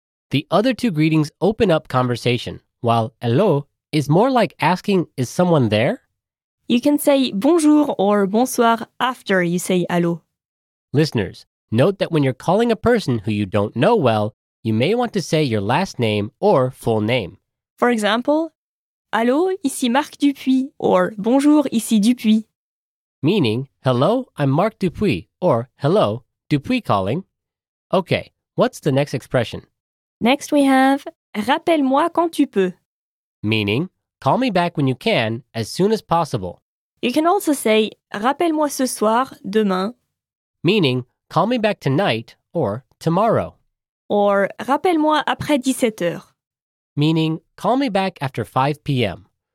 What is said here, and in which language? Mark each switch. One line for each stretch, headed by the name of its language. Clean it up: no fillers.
English: The other two greetings open up conversation, while allô is more like asking, is someone there? You can say bonjour or bonsoir after you say allô. Listeners, note that when you're calling a person who you don't know well, you may want to say your last name or full name. For example,
French: allô, ici Marc Dupuis, or bonjour, ici Dupuis.
English: Meaning, hello, I'm Marc Dupuis, or hello, Dupuis calling. Okay, what's the next expression? Next we have,
French: rappelle-moi quand tu peux.
English: Meaning, call me back when you can, as soon as possible. You can also say,
French: rappelle-moi ce soir, demain.
English: Meaning, call me back tonight or tomorrow. Or,
French: rappelle-moi après 17 heures.
English: Meaning, call me back after 5 p.m.